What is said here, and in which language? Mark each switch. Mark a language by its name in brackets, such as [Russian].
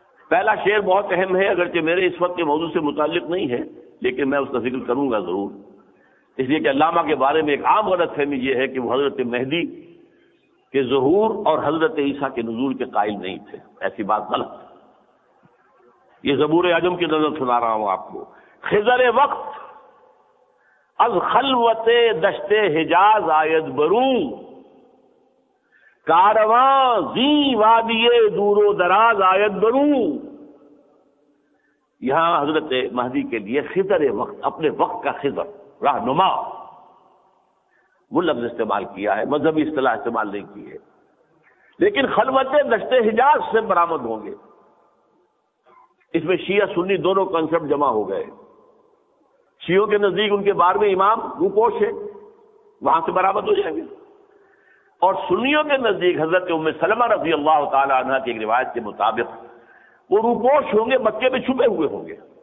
[Urdu] پہلا شعر بہت اہم ہے، اگرچہ میرے اس وقت کے موضوع سے متعلق نہیں ہے، لیکن میں اس کا ذکر کروں گا ضرور، اس لیے کہ علامہ کے بارے میں ایک عام غلط فہمی یہ ہے کہ وہ حضرت مہدی کے ظہور اور حضرت عیسیٰ کے نزول کے قائل نہیں تھے. ایسی بات غلط. یہ زبور اعظم کی نظر سنا رہا ہوں آپ کو. [Persian] خضر وقت از خلوت دشت حجاز آید برو، کارواں زی وادی دور و دراز آید برو. [Urdu] یہاں حضرت مہدی کے لیے خضر وقت، اپنے وقت کا خضر، رہنما، وہ لفظ استعمال کیا ہے، مذہبی اصطلاح استعمال نہیں کی ہے، لیکن خلوت دشت حجاز سے برآمد ہوں گے. اس میں شیعہ سنی دونوں کنسپٹ جمع ہو گئے. شیعوں کے نزدیک ان کے بارہویں امام روپوش ہے، وہاں سے برآمد ہو جائیں گے، اور سنیوں کے نزدیک حضرت ام سلمہ رضی اللہ تعالی عنہ کی ایک روایت کے مطابق وہ روپوش ہوں گے، مکے میں چھپے ہوئے ہوں گے.